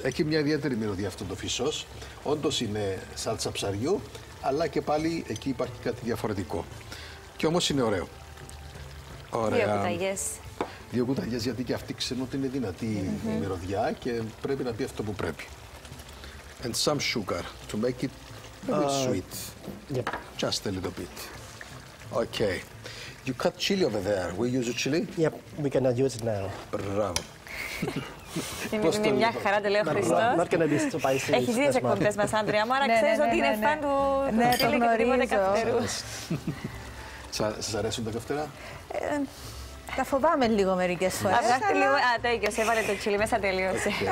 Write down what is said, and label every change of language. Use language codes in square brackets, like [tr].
[el] Έχει μια ιδιαίτερη μυρωδιά αυτό το φίσος. Όντως είναι σάλτσα ψαριού, αλλά και πάλι εκεί υπάρχει κάτι διαφορετικό. Και όμως είναι ωραίο. Ωραία. Δύο κουταλιές. Δύο κουταλιές, γιατί και αυτοί ξέρουν ότι είναι δυνατή mm-hmm. η μυρωδιά και πρέπει να πει αυτό που πρέπει. [en] And some sugar to make it a bit sweet. Yep. Just a little bit. Okay. You cut chili over there. We use chili? Yep, we cannot use it now. [el] Μπράβο. Είναι μια χαρά, το λέει ο Χριστός. [en] Not gonna be spicy. [el] Έχει δει τις εκπομπές μας, Άντρια, άρα ξέρεις ότι είναι φαν του χίλι και τίποτε καυτερού. Σας αρέσουν τα καυτερά? Τα φοβάμαι λίγο μερικές φορές. Αγάπη λίγο, α, τέλειος, έβαλε το τσίλι μέσα, τέλειωσε.